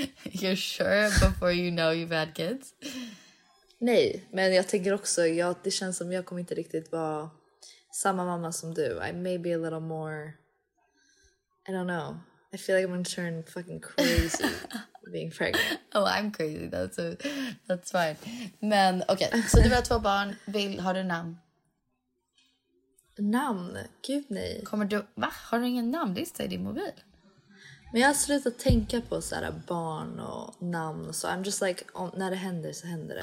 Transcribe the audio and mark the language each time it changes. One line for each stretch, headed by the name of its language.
English: You're sure before you know you've had kids?
Swedish: Nej, men jag tänker också, det känns som jag kommer inte riktigt vara samma mamma som du.
English: I may be a little more, I don't know. I feel like I'm gonna turn fucking crazy being pregnant. Oh, I'm crazy, that's fine.
Swedish: Men okej, så du har två barn, har du namn? Namn? Gud nej. Kommer du, va? Har du ingen namnlista i din mobil? Men jag har slutat tänka på så här barn och namn. Så
English: I'm just like,
Swedish: när det händer så händer det.